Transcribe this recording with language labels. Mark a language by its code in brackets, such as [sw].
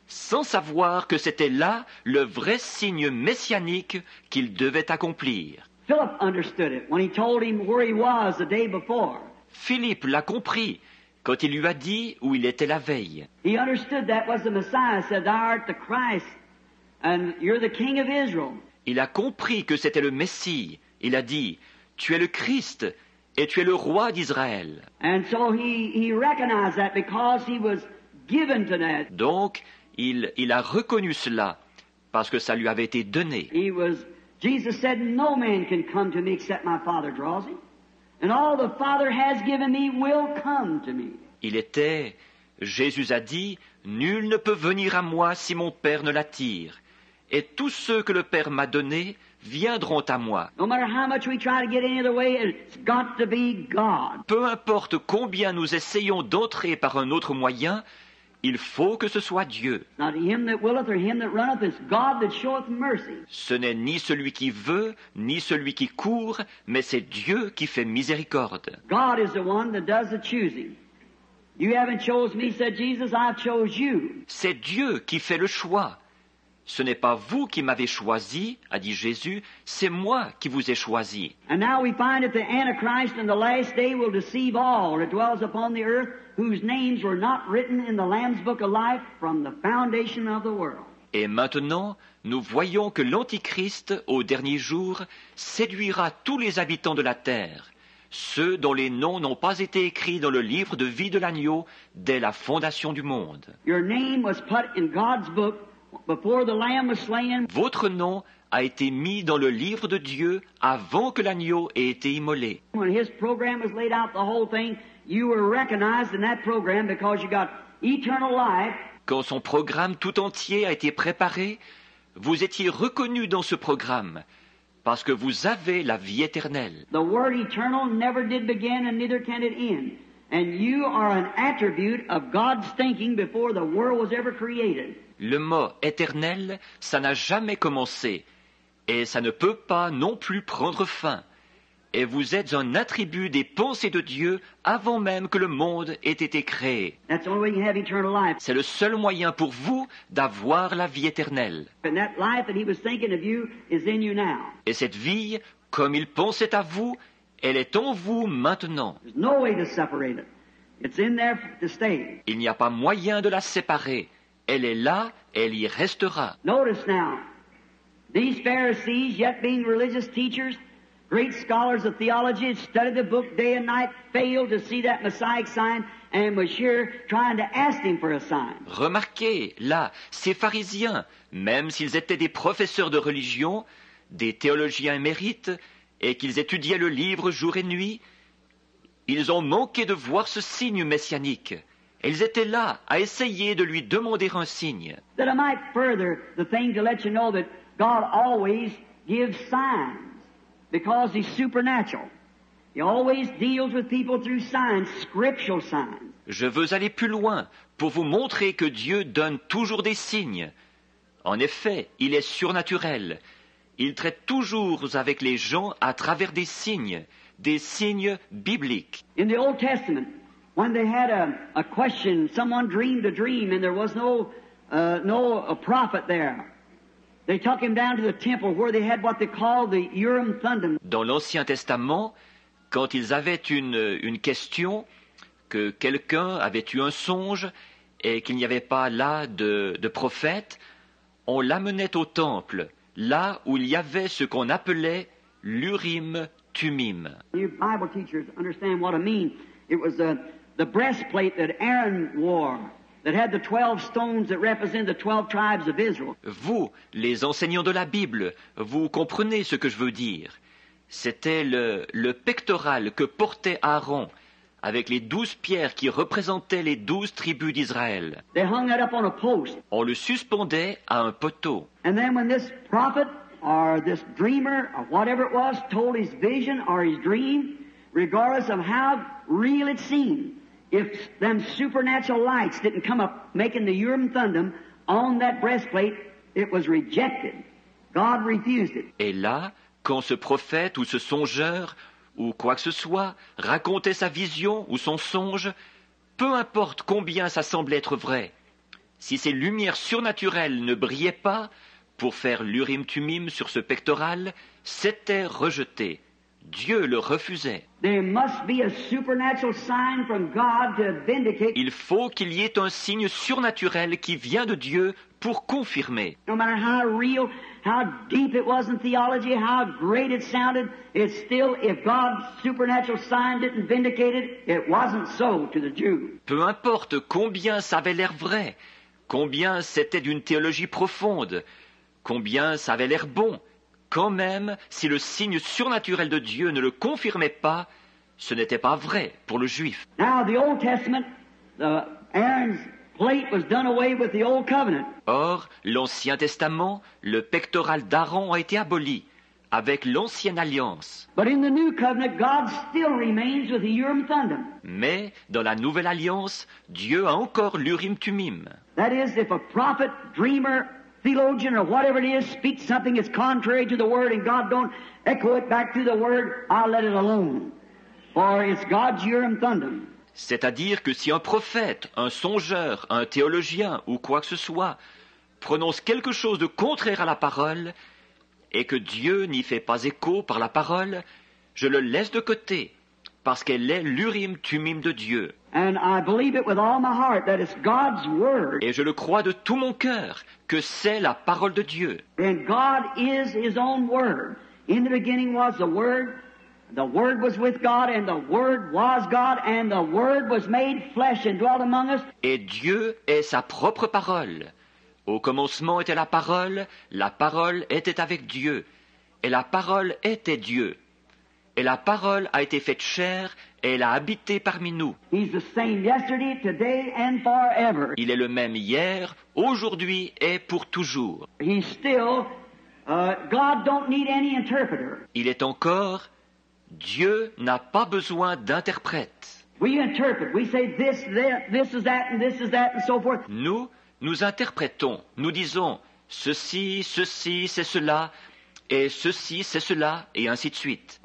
[fr] Sans savoir que c'était là le vrai signe messianique qu'il devait accomplir. [en] Philip understood it when he told him where he was the day before. [fr] Philippe l'a compris quand il lui a dit où il était la veille. [en] He understood that was the Messiah, said, "Thou art the Christ, and you're the King of Israel." [fr] Il a compris que c'était le Messie. Il a dit, "Tu es le Christ, et tu es le roi d'Israël." [en] And so he recognized that because he was given to that. [fr] Donc, il a reconnu cela parce que ça lui avait été donné. [en] Jesus said, "No man can come to me except my Father draws him. And all the Father has given me will come to me." [fr] Il était, Jésus a dit, nul ne peut venir à moi si mon Père ne l'attire. Et tous ceux que le Père m'a donnés viendront à moi. [en] No matter how much we try to get any other way, it's got to be God. [fr] Peu importe combien nous essayons d'entrer par un autre moyen, il faut que ce soit Dieu. [en] Not him that willeth or him that runneth, it's God that showeth mercy. [fr] Ce n'est ni celui qui veut, ni celui qui court, mais c'est Dieu qui fait miséricorde. [en] God is the one that does the choosing. You haven't chose me, said Jesus, I've chose you. [fr] C'est Dieu qui fait le choix. Ce n'est pas vous qui m'avez choisi, a dit Jésus, c'est moi qui vous ai choisi. [en] And now we find that the Antichrist in the last day will deceive all that dwells upon the earth, whose names were not written in the Lamb's book of life from the foundation of the world. [fr] Et maintenant, nous voyons que l'Antichrist, au dernier jour, séduira tous les habitants de la terre, ceux dont les noms n'ont pas été écrits dans le livre de vie de l'agneau dès la fondation du monde. [en] Your name was put in God's book before the Lamb was slain. [fr] Votre nom a été mis dans le livre de Dieu avant que l'agneau ait été immolé. [en] When his program was laid out, the whole thing, you were recognized in that program because you got eternal life. [fr] Quand son programme tout entier a été préparé, vous étiez reconnu dans ce programme parce que vous avez la vie éternelle. [en] The word eternal never did begin and neither can it end. And you are an attribute of God's thinking before the world was ever created. [fr] Le mot éternel, ça n'a jamais commencé et ça ne peut pas non plus prendre fin. Et vous êtes un attribut des pensées de Dieu avant même que le monde ait été créé. [en] That's the only way you have eternal life. [fr] C'est le seul moyen pour vous d'avoir la vie éternelle. [en] And that life that he was thinking of you is in you now. [fr] Et cette vie, comme il pensait à vous, elle est en vous maintenant. [en] There's no way to separate it. It's in there to stay. [fr] Il n'y a pas moyen de la séparer. Elle est là, elle y restera. [en] Notice now, these Pharisees, yet being religious teachers, great scholars of theology, studied the book day and night, failed to see that Messiah sign, and was here trying to ask him for a sign. [fr] Remarquez, là, ces pharisiens, même s'ils étaient des professeurs de religion, des théologiens émérites, et qu'ils étudiaient le livre jour et nuit, ils ont manqué de voir ce signe messianique. Ils étaient là à essayer de lui demander un signe. [en] That I might further the thing to let you know that God always gives signs. Because he's supernatural. He always deals with people through signs, scriptural signs. [fr] Je veux aller plus loin pour vous montrer que Dieu donne toujours des signes. En effet, il est surnaturel. Il traite toujours avec les gens à travers des signes bibliques. [en] In the Old Testament, when they had a question, someone dreamed a dream and there was no prophet there. They took him down to the temple where they had what they called the Urim Thummim. [fr] Dans l'Ancien Testament, quand ils avaient une question, que quelqu'un avait eu un songe et qu'il n'y avait pas là de prophète, on l'amenait au temple, là où il y avait ce qu'on appelait l'Urim Thummim. [en] You Bible teachers understand what I mean. It was the breastplate that Aaron wore. that had the 12 stones that represent the 12 tribes of Israel. [fr] Vous, les enseignants de la Bible, vous comprenez ce que je veux dire. C'était le pectoral que portait Aaron avec les 12 pierres qui représentaient les 12 tribus d'Israël. [en] They hung it up on a post. [fr] On le suspendait à un poteau. [en] And then when this prophet or this dreamer or whatever it was told his vision or his dream, regardless of how real it seemed, if them supernatural lights didn't come up making the Urim and Thummim on that breastplate, it was rejected. God refused it. [fr] Et là, quand ce prophète ou ce songeur ou quoi que ce soit racontait sa vision ou son songe, peu importe combien ça semblait être vrai, si ces lumières surnaturelles ne brillaient pas pour faire l'Urim Thummim sur ce pectoral, c'était rejeté. Dieu le refusait. [en] There must be a supernatural sign from God to vindicate. [fr] Il faut qu'il y ait un signe surnaturel qui vient de Dieu pour confirmer. [en] No matter how real, how deep it was in theology, how great it sounded, it's still, if God's supernatural sign didn't vindicate it, it wasn't so to the Jew. [fr] Peu importe combien ça avait l'air vrai, combien c'était d'une théologie profonde, combien ça avait l'air bon, quand même, si le signe surnaturel de Dieu ne le confirmait pas, ce n'était pas vrai pour le Juif. [en] Now, the Old Testament, Aaron's plate was done away with the Old Covenant. [fr] Or, l'Ancien Testament, le pectoral d'Aaron a été aboli avec l'Ancienne Alliance. [en] But in the New Covenant, God still remains with the Urim Thummim. [fr] Mais dans la Nouvelle Alliance, Dieu a encore l'Urim Thummim. [en] That is, if a prophet, dreamer, theologian or whatever it is speaks something that's contrary to the word and God don't echo it back to the word, I'll let it alone. For it's God's Urim Thummim. [fr] C'est-à-dire que si un prophète, un songeur, un théologien ou quoi que ce soit prononce quelque chose de contraire à la parole et que Dieu n'y fait pas écho par la parole, je le laisse de côté parce qu'elle est l'Urim Thummim de Dieu. [en] And I believe it with all my heart that it's God's word. [fr] Et je le crois de tout mon cœur que c'est la parole de Dieu. [en] And God is his own word. In the beginning was the word was with God, and the word was God, and the word was made flesh and dwelt among us. [fr] Et Dieu est sa propre parole. Au commencement était la parole était avec Dieu, et la parole était Dieu. Et la parole a été faite chair, et elle a habité parmi nous. [en] He's the same yesterday, today, and forever. [fr] Il est le même hier, aujourd'hui et pour toujours. [en] He's still, God don't need any interpreter. [fr] Il est encore, Dieu n'a pas besoin d'interprète. [en] We interpret, we say this, this is that, and this is that, and so forth. [fr] Nous interprétons, nous disons ceci, ceci, c'est cela. Et ceci, c'est cela, et ainsi de suite.